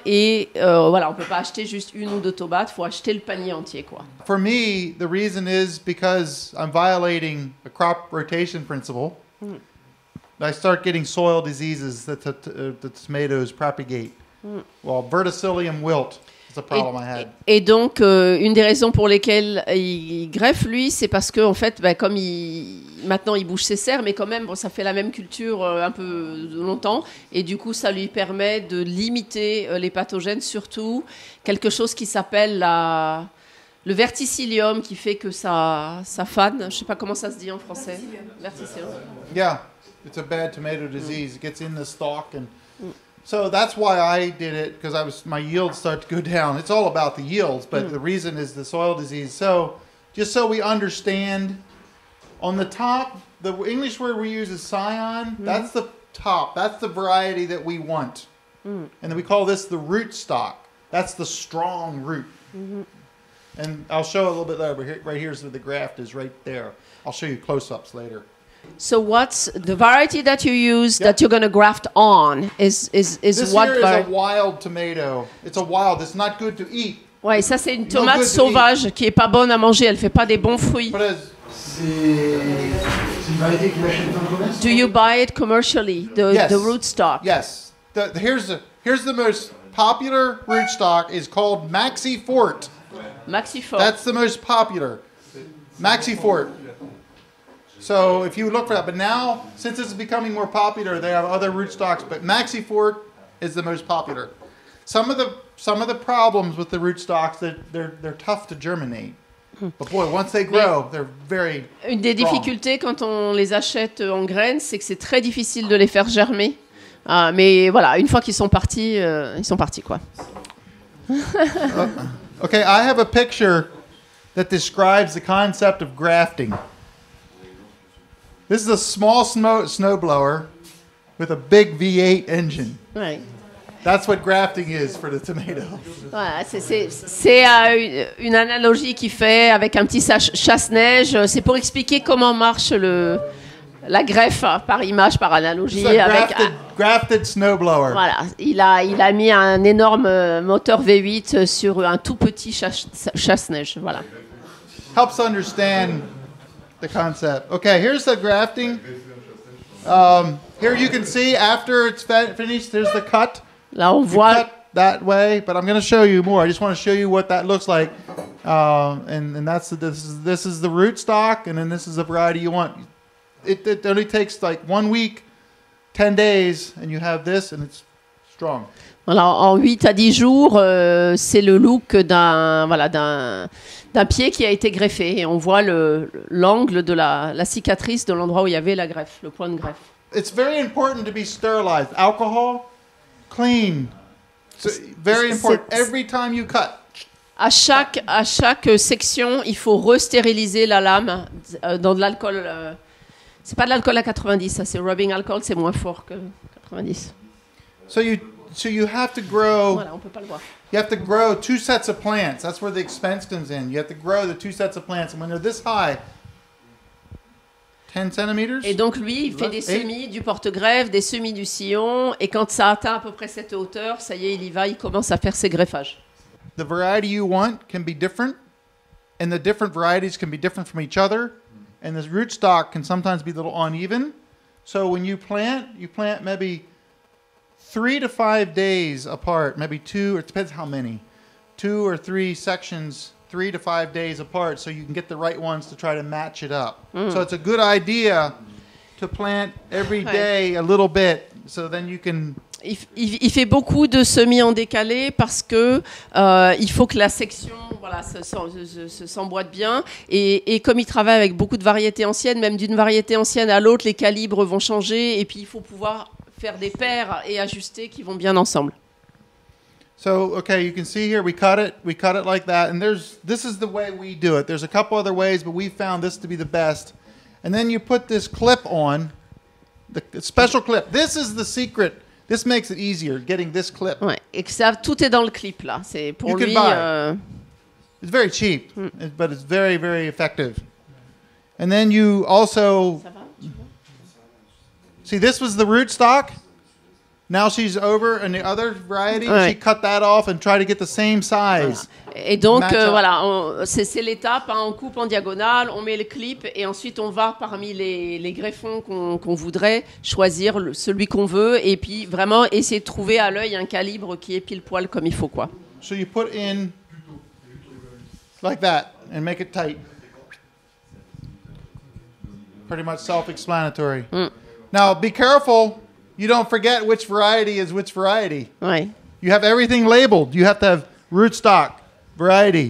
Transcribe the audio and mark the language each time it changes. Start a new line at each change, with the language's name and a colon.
French: Et voilà, on ne peut pas acheter juste une ou deux tomates, il faut acheter le panier entier, quoi.
English: For me, the reason is because I'm violating a crop rotation principle. I start getting soil diseases that the tomatoes propagate. Well, verticillium wilt.
French: Et donc, une des raisons pour lesquelles il greffe, lui, c'est parce que, en fait, comme maintenant il bouge ses serres, mais quand même, bon, ça fait la même culture un peu longtemps, et du coup, ça lui permet de limiter les pathogènes, surtout quelque chose qui s'appelle le verticillium, qui fait que ça fane. Je ne sais pas comment ça se dit en français. Verticillium.
English: Yeah, it's a bad tomato disease. It gets in the stalk and. So that's why I did it, because my yields start to go down. It's all about the yields, but the reason is the soil disease. So just so we understand, on the top, the English word we use is scion. That's the top. That's the variety that we want. And then we call this the root stock. That's the strong root. And I'll show a little bit later, but right here is where the graft is, right there. I'll show you close-ups later. So what's the variety that you use that you're going to graft on is this what? This here is a wild tomato. It's a wild. It's not good to eat.
French: Ouais, ça c'est une tomate sauvage qui est pas bonne à manger. Elle fait pas des bons fruits. C'est une variété qu'il achète dans le commerce.
English: Do you buy it commercially? The rootstock. Yes. Here's the most popular rootstock is called Maxi Fort. Maxi Fort. That's the most popular. Maxi Fort. So if you look for that, but now, since it's becoming more popular, they have other rootstocks, but Maxi Fort is the most popular. Some of the some of the problems with the rootstocks that they're tough to germinate. But boy, once they grow, they're very
French: Une des difficultés quand on les achète en graines, c'est que c'est très difficile de les faire germer. Mais voilà, une fois qu'ils sont partis, ils sont partis quoi.
English: Okay, I have a picture that describes the concept of grafting. This is a small snowblower with a big V8 engine. Right. That's what grafting is for the tomatoes.
French: Voilà, c'est une analogie qui fait avec un petit chasse-neige. C'est pour expliquer comment marche la greffe par image, par analogie.
English: It's a grafted snowblower.
French: Voilà, il a mis un énorme moteur V8 sur un tout petit chasse-neige. Voilà.
English: Helps understand the concept. Okay, here's the grafting. Here you can see after it's finished, there's the cut.
French: Là, on voit.
English: Cut that way, but I'm going to show you more. I just want to show you what that looks like, and that's this is the rootstock, and then this is the variety you want. It only takes like 1 week, 10 days, and you have this, and it's strong.
French: Voilà, en 8 à 10 jours, c'est le look d'un pied qui a été greffé, et on voit l'angle de la cicatrice de l'endroit où il y avait la greffe, le point de greffe.
English: It's very important to be sterilized. Alcohol. Clean. So very important. Every time you cut.
French: À chaque section, il faut restériliser la lame dans de l'alcool. C'est pas de l'alcool à 90, ça c'est rubbing alcohol, c'est moins fort que 90.
English: So you have to grow.
French: Voilà, on peut pas le voir.
English: You have to grow two sets of plants. That's where the expense comes in. You have to grow the two sets of plants, and when they're this high. 10 centimeters?
French: Et donc lui, il fait des semis du porte-greffe, des semis du sillon, et quand ça atteint à peu près cette hauteur, ça y est, il y va, il commence à faire ses greffages.
English: The variety you want can be different, and the different varieties can be different from each other, and the rootstock can sometimes be a little uneven. So when you plant maybe 3 to 5 days apart, maybe two, or it depends how many, two or three sections 3 to 5 days apart, so you can get the right ones to try to match it up. Mm. So it's a good idea to plant every day a little bit, so then you can.
French: Il fait beaucoup de semis en décalé parce que il faut que la section voilà se s'emboîte bien et comme il travaille avec beaucoup de variétés anciennes, même d'une variété ancienne à l'autre, les calibres vont changer et puis il faut pouvoir faire des paires et ajuster qui vont bien ensemble.
English: So, okay, you can see here, we cut it like that, and this is the way we do it. There's a couple other ways, but we found this to be the best. And then you put this clip on, the special clip. This is the secret. This makes it easier, getting this clip.
French: Ouais, et ça, tout est dans le clip, là. C'est pour
English: you
French: lui,
English: can buy it. It's very cheap, but it's very, very effective. And then you also...
French: Ça va, tu peux?
English: See, this was the rootstock. Now she's over and the other variety,
French: ouais.
English: She cut that off and try to get the same size.
French: Voilà. Et donc voilà, c'est l'étape, hein, on coupe en diagonale, on met le clip et ensuite on va parmi les greffons qu'on voudrait choisir celui qu'on veut et puis vraiment essayer de trouver à l'œil un calibre qui est pile poil comme il faut quoi.
English: So you put in like that and make it tight. Pretty much self-explanatory. Mm. Now be careful. You don't forget which variety is which variety. Right. You have everything labeled. You have to have rootstock, variety.